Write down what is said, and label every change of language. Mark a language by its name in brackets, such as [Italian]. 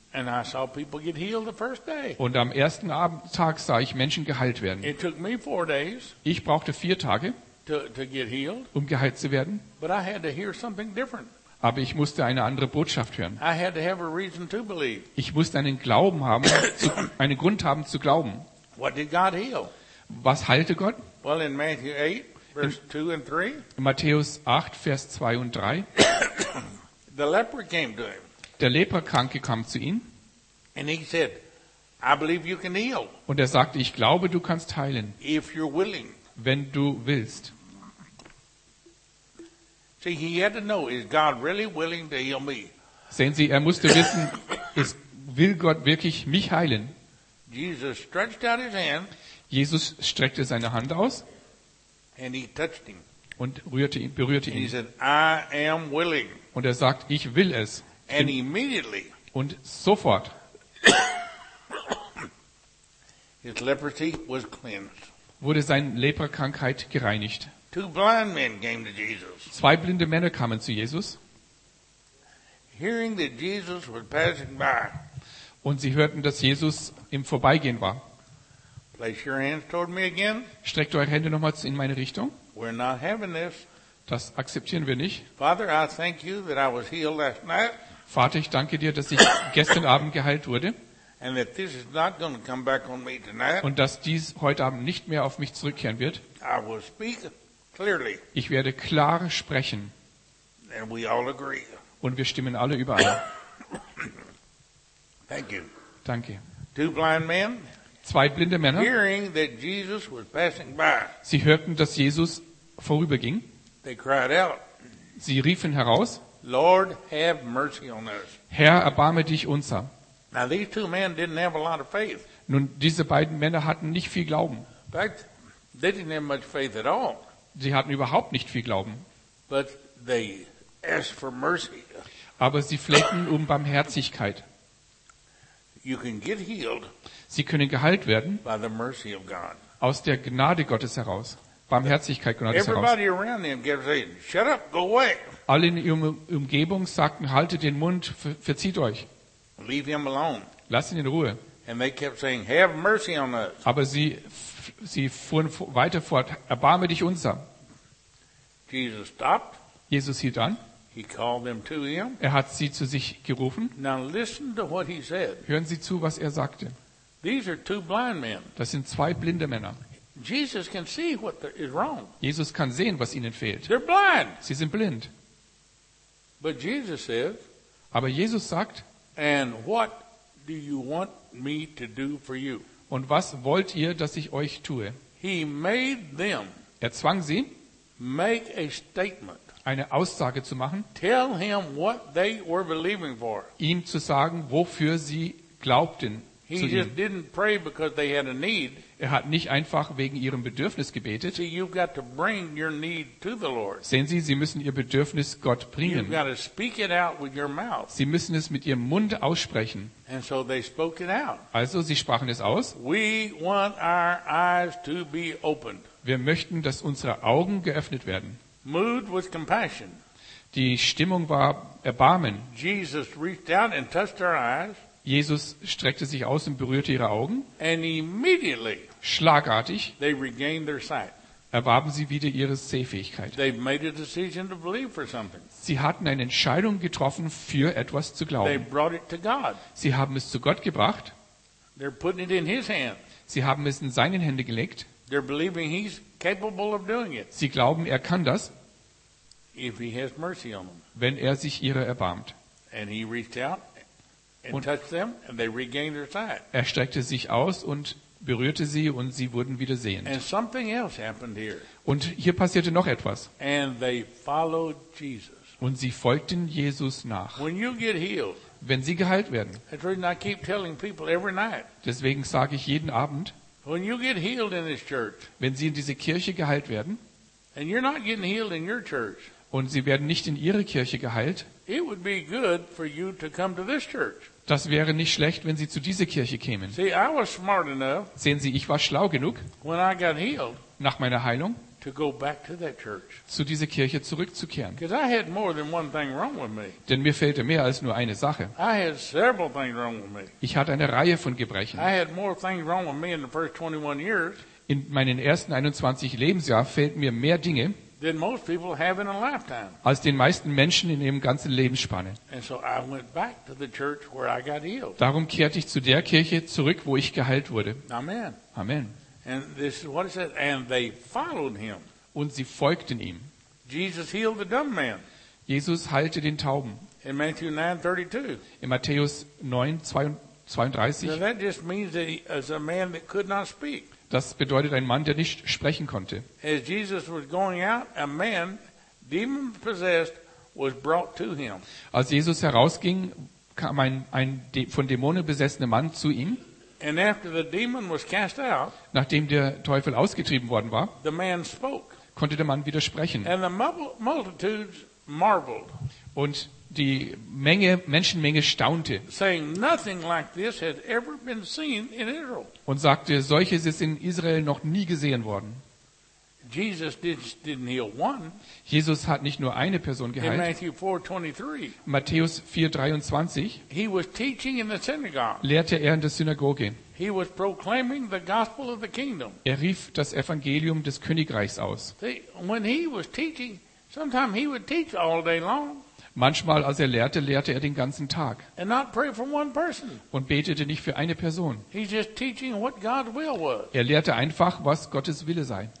[English] And I saw people get healed the first day. [German] Und am ersten Abendtag sah ich Menschen geheilt werden. [English] It took me 4 days. [German] Ich brauchte 4 Tage, [English] to get healed. [German] Um geheilt zu werden. [English] But I had to hear something different. [German] Aber ich musste eine andere Botschaft hören. [English] I had to have a reason to believe. [German] Ich musste einen Glauben haben, einen Grund haben zu glauben. [English] What did God heal? [German] Was heilte Gott? [English] Well, in Matthew 8, verse 2 and 3. [German] In Matthäus 8, Vers 2 und 3. [English] The leper came to him. [German] Der Leprakranke kam zu ihm. [English] And he said, I believe you can heal. [German] Und er sagte, ich glaube, du kannst heilen. [English] If you're willing. [German] Wenn du willst. [English] See, he had to know, is God really willing to heal me? [German] Sehen Sie, er musste wissen, will Gott wirklich mich heilen? [English] Jesus stretched out his hand. [German] Jesus streckte seine Hand aus. [English] And he touched him. [German] Und berührte ihn. [English] He said, I am willing. [German] Und er sagt, ich will es. [English] And immediately, [German] und sofort, [English] his leprosy was cleansed. [German] Wurde seine Leprakrankheit gereinigt. [English] 2 blind men came to Jesus. [German] 2 blinde Männer kamen zu Jesus. [English] Hearing that Jesus was passing by, [German] und sie hörten, dass Jesus im Vorbeigehen war. [English] Place your hands toward me again. [German] Streckt eure Hände nochmals in meine Richtung. [English] We're not having this. [German] Das akzeptieren wir nicht. [English] Father, I thank you that I was healed last night. [German] Vater, ich danke dir, dass ich gestern Abend geheilt wurde. [English] And that this is not going to come back on me tonight. [German] Und dass dies heute Abend nicht mehr auf mich zurückkehren wird. [English] I will speak clearly. [German] Ich werde klar sprechen. [English] And we all agree. [German] Und wir stimmen alle überein. [English] Thank you. [German] Danke. [English] 2 blind men. [German] 2 blinde Männer. [English] Hearing that Jesus was passing by. [German] Sie hörten, dass Jesus vorüberging. [English] They cried out. [German] Sie riefen heraus. [English] Lord, have mercy on us. [German] Herr, erbarme dich unser. [English] Now these 2 men didn't have a lot of faith. [German] Nun, diese beiden Männer hatten nicht viel Glauben. [English] In fact, they didn't have much faith at all. [German] Sie hatten überhaupt nicht viel Glauben. [English] But they asked for mercy. [German] Aber sie flehten um Barmherzigkeit. [English] You can get healed. [German] Sie können geheilt werden. [English] By the mercy of God. [German] Aus der Gnade Gottes heraus. Barmherzigkeit Gottes heraus. [English] Everybody around them kept saying, "Shut up, go away." [German] Alle in ihrer Umgebung sagten, haltet den Mund, verzieht euch. [English] Leave him alone. [German] Lasst ihn in Ruhe. [English] And they kept saying, "Have mercy on us." [German] Aber sie fuhren weiter fort, erbarme dich unser. [English] Jesus stopped. [German] Jesus hielt an. [English] He called them to him. [German] Er hat sie zu sich gerufen. [English] Now listen to what he said. [German] Hören Sie zu, was er sagte. [English] These are two blind men. [German] Das sind zwei blinde Männer. [English] Jesus can see what is wrong. [German] Jesus kann sehen, was ihnen fehlt. [English] They're blind. [German] Sie sind blind. [English] But Jesus says, [German] aber Jesus sagt, [English] and what do you want me to do for you? [German] Und was wollt ihr, dass ich euch tue? [English] He made them. [German] Er zwang sie, [English] make a statement. [German] Eine Aussage zu machen. [English] Tell him what they were believing for. [German] Ihm zu sagen, wofür sie glaubten. [English] He just didn't pray because they had a need. [German] Er hat nicht einfach wegen ihrem Bedürfnis gebetet. [English] See, you've got to bring your need to the Lord. [German] Sehen Sie, Sie müssen Ihr Bedürfnis Gott bringen. [English] You've got to speak it out with your mouth. [German] Sie müssen es mit Ihrem Mund aussprechen. [English] And so they spoke it out. [German] Also, Sie sprachen es aus. [English] We want our eyes to be opened. [German] Wir möchten, dass unsere Augen geöffnet werden. [English] Mood with compassion. [German] Die Stimmung war Erbarmen. [English] Jesus reached out and touched their eyes. [German] Jesus streckte sich aus und berührte ihre Augen. [English] And immediately, [German] schlagartig, [English] they regained their sight. [German] Erwarben sie wieder ihre Sehfähigkeit. [English] They made a decision to believe for something. [German] Sie hatten eine Entscheidung getroffen, für etwas zu glauben. [English] They brought it to God. [German] Sie haben es zu Gott gebracht. [English] They're putting it in his hands. [German] Sie haben es in seine Hände gelegt. [English] They're believing he's capable of doing it. [German] Sie glauben, er kann das, [English] if he has mercy on them. [German] Wenn er sich ihrer erbarmt. [English] And he reached out. And touched them, and they regained their sight. [German] Er streckte sich aus und berührte sie und sie wurden wieder sehend. [English] And something else happened here. [German] Und hier passierte noch etwas. [English] And they followed Jesus. [German] Und sie folgten Jesus nach. [English] When you get healed, [German] wenn sie geheilt werden. [English] That's the reason I keep telling people every night. [German] Deswegen sage ich jeden Abend, [English] when you get healed in this church, [German] wenn sie in diese Kirche geheilt werden, [English] and you're not getting healed in your church, [German] und sie werden nicht in ihre Kirche geheilt, [English] it would be good for you to come to this church. [German] Das wäre nicht schlecht, wenn Sie zu dieser Kirche kämen. [English] See, I was smart enough, [German] sehen Sie, ich war schlau genug, [English] when I got healed, [German] nach meiner Heilung, [English] to go back to that church. [German] Zu dieser Kirche zurückzukehren. [English] I had more than one thing wrong with me. [German] Denn mir fehlte mehr als nur eine Sache. [English] I had several things wrong with me. [German] Ich hatte eine Reihe von Gebrechen. [English] I had more things wrong with me in the first 21 years. [German] In meinen ersten 21 Lebensjahren fehlten mir mehr Dinge, [English] than most people have in a lifetime. [German] Als den meisten Menschen in ihrem ganzen Lebensspanne. [English] And so I went back to the church where I got healed. [German] Darum kehrte ich zu der Kirche zurück, wo ich geheilt wurde. [English] Amen. [German] Amen. [English] And this is what it says, and they followed him. [German] Und sie folgten ihm. [English] Jesus healed the dumb man. [German] Jesus heilte den Tauben. [English] In Matthew 9:32. [German] In Matthäus 9:32. [English] So that just means that he is a man that could not speak. [German] Das bedeutet ein Mann, der nicht sprechen konnte. [English] As Jesus was going out, a man, demon possessed, was brought to him. [German] Als Jesus herausging, kam ein von Dämonen besessener Mann zu ihm. [English] And after the demon was cast out, [German] nachdem der Teufel ausgetrieben worden war, [English] the man spoke. [German] Konnte der Mann wieder sprechen. [English] And the multitudes marveled. [German] Und die Menschenmenge staunte. [English] Saying, nothing like this had ever been seen in Israel. [German] Und sagte, solches ist in Israel noch nie gesehen worden. [English] Jesus didn't heal one. [German] Jesus hat nicht nur eine Person geheilt. [English] In Matthew 4:23. [German] Matthäus 4:23. [English] He was teaching in the synagogue. [German] Lehrte er in der Synagoge. [English] He was proclaiming the gospel of the kingdom. [German] Er rief das Evangelium des Königreichs aus. [English] See, when he was teaching, sometimes he would teach all day long. [German] Manchmal, als er lehrte, lehrte er den ganzen Tag und betete nicht für eine Person. Er lehrte einfach, was Gottes Wille sei.